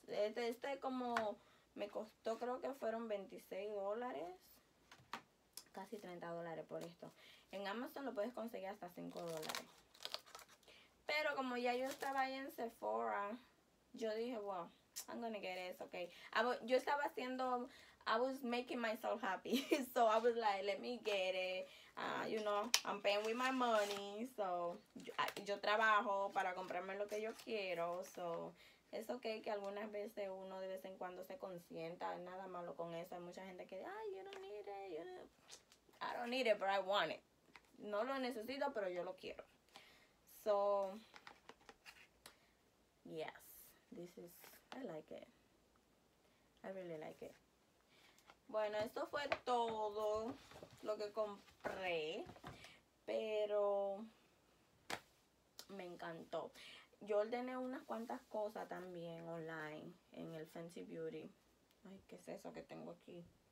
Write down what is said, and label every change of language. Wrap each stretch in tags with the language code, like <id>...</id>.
<es>Este como me costó, creo que fueron $26, casi $30 por esto. En Amazon lo puedes conseguir hasta $5. Pero como ya yo estaba ahí en Sephora, yo dije, wow,</es> <en>well, I'm gonna get it, okay.</en> <es>Yo estaba haciendo,</es> <en>I was making myself happy. So I was like, let me get it. You know, I'm paying with my money.</en> <es>So yo trabajo para comprarme lo que yo quiero. So es okay que algunas veces uno de vez en cuando se consienta. Nada malo con eso. Hay mucha gente que, ay,</es> <en>you don't need it. I don't need it, but I want it.</en> <es>No lo necesito, pero yo lo quiero.</es> <en>So, yes, this is, I like it. I really like it.</en> <es>Bueno, esto fue todo lo que compré, pero me encantó. Yo ordené unas cuantas cosas también online en el Fenty Beauty. Ay, ¿qué es eso que tengo aquí?</es>